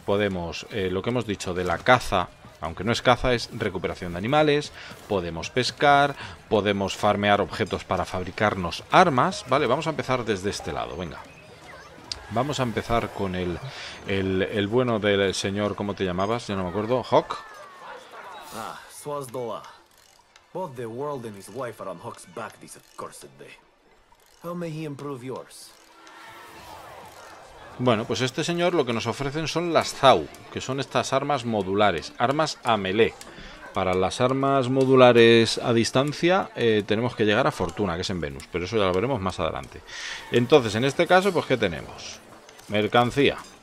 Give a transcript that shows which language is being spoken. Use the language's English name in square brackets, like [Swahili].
[Spanish] Podemos, lo que hemos dicho, de la caza. Aunque no es caza, es recuperación de animales. Podemos pescar, podemos farmear objetos para fabricarnos armas. Vale, vamos a empezar desde este lado, venga. Vamos a empezar con el bueno del señor, ¿cómo te llamabas? Ya no me acuerdo, ¿Hawk? Ah, Swazdola. [English] Both the world and his wife are on Hawk's back this accursed day. How may he improve yours? [Spanish] Bueno, pues este señor lo que nos ofrecen son las Zau, que son estas armas modulares, armas a melee. Para las armas modulares a distancia tenemos que llegar a Fortuna, que es en Venus, pero eso ya lo veremos más adelante. Entonces, en este caso, pues ¿qué tenemos? Mercancía.